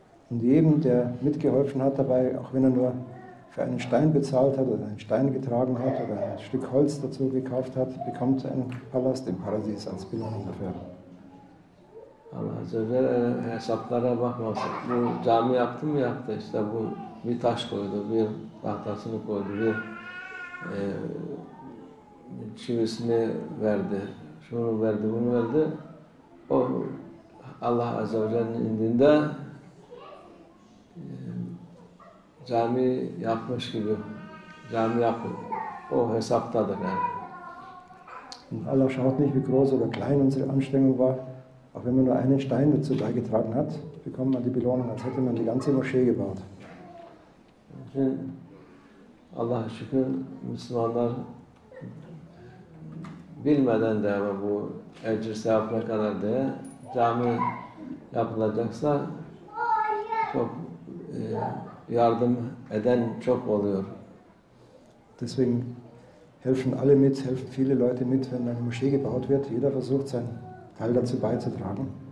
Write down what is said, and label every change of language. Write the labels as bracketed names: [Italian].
[German] Und jedem, der mitgeholfen hat dabei, auch wenn er nur für einen Stein bezahlt hat oder einen Stein getragen hat oder ein Stück Holz dazu gekauft hat, bekommt einen Palast im Paradies als Belohnung dafür. [Turkish] Allah Azze ve Celle hesaplara bakmasın. Bu cami yaptı mı yaptı işte bu bir taş koydu, bir tahtasını koydu, bir çivisini verdi, şunu verdi, bunu verdi. O Allah Azze ve Celle'nin indinde cami yapmış gibi, cami yaptı. O hesaptadır yani. [German] Allah schaut nicht, wie groß oder klein unsere Anstrengung war. Auch wenn man nur einen Stein dazu beigetragen hat, bekommt man die Belohnung, als hätte man die ganze Moschee gebaut. [Turkish] Allah'a şükür, Müslümanlar bilmeden de ama bu ecir sevapına kadar diye cami yapılacaksa çok yardım eden çok oluyor. [German] Deswegen helfen alle mit, helfen viele Leute mit, wenn eine Moschee gebaut wird. Jeder versucht sein Teil dazu beizutragen.